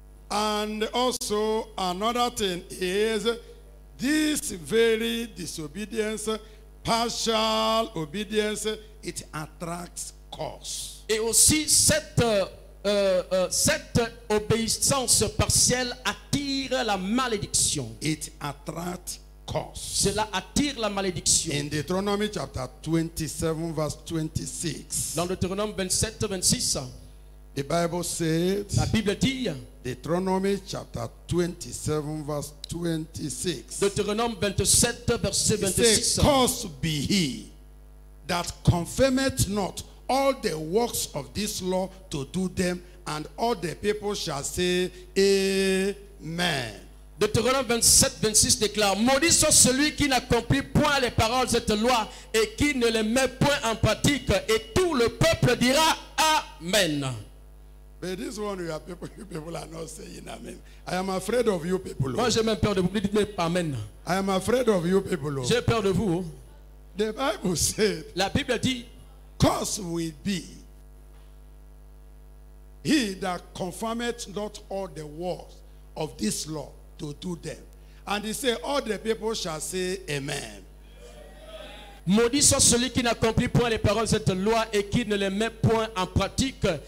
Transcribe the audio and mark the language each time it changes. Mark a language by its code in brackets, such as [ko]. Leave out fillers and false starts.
[en] And also another thing is this very disobedience, partial obedience, it attracts curse. [fr] Et aussi cette obéissance partielle attire la malédiction. [en] It attracts curse. [fr] Cela attire la malédiction. [en] In Deuteronomy chapter 27 verse 26. [fr] Dans Deutéronome 27:26. [en] The Bible said. [fr] La Bible dit. [en] Deuteronomy chapter 27 verse 26. [fr] Deutéronome 27 verset 26. [en] Curse be he that confirmeth not all the works of this law to do them, and all the people shall say amen. [fr] Deutéronome 27:26 déclare: maudit soit celui qui n'accomplit point les paroles de cette loi et qui ne les met point en pratique, et tout le peuple dira amen. [en] But this one, you people are not saying amen. I am afraid of you people. [fr] Moi, j'ai même peur de vous. Dites pas amen. [en] I am afraid of you people. [fr] J'ai peur de vous. [en] The Bible said. [fr] La Bible dit. [en] Curse will be he that confirmeth not all the words of this law to do them. And he said, all the people shall say amen. [fr] Maudit soit celui qui n'accomplit point les paroles de cette loi et qui ne les met point en pratique.